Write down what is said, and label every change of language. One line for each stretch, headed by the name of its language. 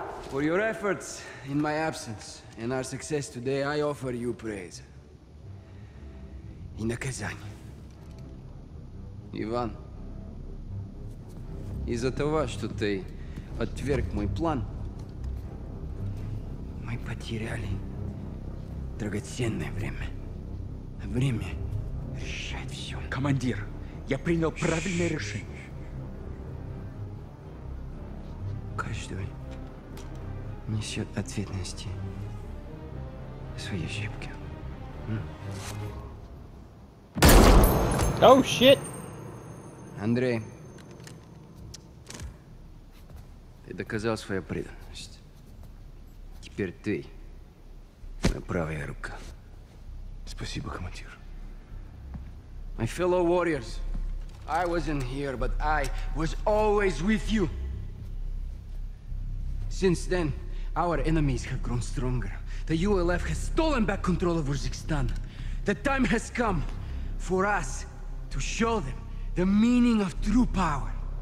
English: For your efforts in my absence and our success today, I offer you praise. In the Kazan.
Russian: Иван, из-за того, что ты отверг мой план, мы потеряли драгоценное время. Время решает все. Командир, я принял правильное решение. Каждый несет ответственность за свои ошибки.
English: Oh, shit!
Russian: Андрей, ты доказал свою преданность. Теперь ты моя правая рука. Спасибо, командир.
English: My fellow warriors, I wasn't here, but I was always with you. Since then, our enemies have grown stronger. The ULF has stolen back control of Uzbekistan. The time has come for us to show them the meaning of true power.